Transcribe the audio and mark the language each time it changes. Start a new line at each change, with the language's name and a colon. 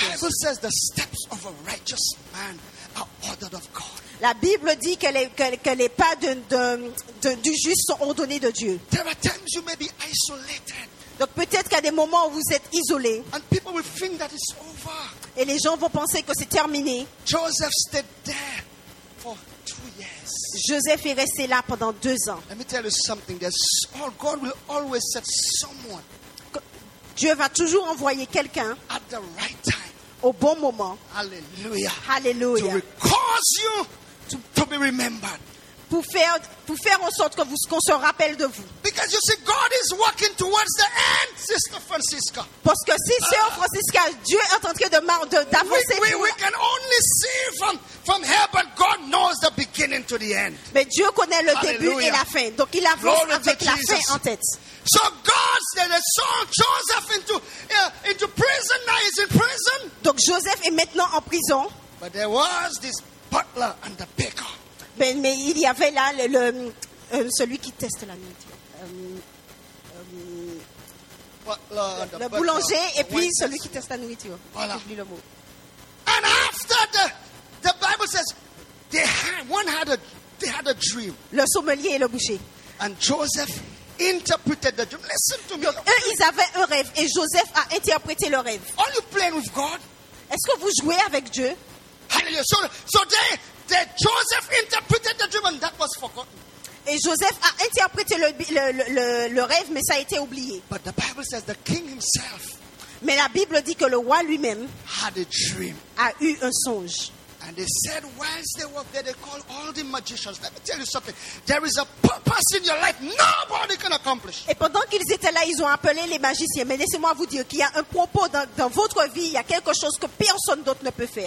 English: The Bible says the steps of a righteous man are ordered of God.
French: La Bible dit que les pas du juste sont ordonnés de Dieu.
English: There are times you may be isolated.
French: Donc peut-être qu'il y a des moments où vous êtes isolé.
English: And people will think that it's over.
French: Et les gens vont penser que c'est terminé.
English: Joseph stayed there for 2 years.
French: Joseph est resté là pendant 2 ans.
English: Let me tell you something. God will always set someone.
French: Dieu va toujours envoyer quelqu'un
English: at the right time,
French: au bon moment.
English: Hallelujah. Hallelujah. To cause you to be remembered.
French: Pour faire en sorte qu'on se rappelle de vous.
English: Because you see, God is working towards the end, Sister Francisca.
French: Parce que si Sœur Francisca, Dieu est en train d'avancer.
English: We can only see from here, but God knows the beginning to the end.
French: Mais Dieu connaît le début et la fin, donc il avance
English: glory
French: avec la fin en tête.
English: So God sent Joseph into prison. Now he's in prison.
French: Donc Joseph est maintenant en prison.
English: But there was this butler and the baker.
French: Mais il y avait là celui qui teste la nourriture. Le boulanger et puis celui qui teste la nourriture. Voilà. J'ai oublié le mot.
English: And after the Bible says they had a dream.
French: Le sommelier et le boucher.
English: And Joseph interpreted the dream. Listen to me.
French: Donc, eux, ils avaient un rêve et Joseph a interprété le rêve.
English: Are you playing with God?
French: Est-ce que vous jouez avec Dieu?
English: Hallelujah. So then Joseph interpreted the dream and that was forgotten.
French: Et Joseph a interprété le rêve, mais ça a été oublié.
English: But the Bible says the king himself.
French: Mais la Bible dit que le roi lui-même
English: had a dream.
French: A eu un songe.
English: And they said, whilst they were there, they called all the magicians. Let me tell you something. There is a purpose in your life nobody can accomplish.
French: Et pendant qu'ils étaient là, ils ont appelé les magiciens. Mais laissez-moi vous dire qu'il y a un propos dans votre vie. Il y a quelque chose que personne d'autre ne peut faire.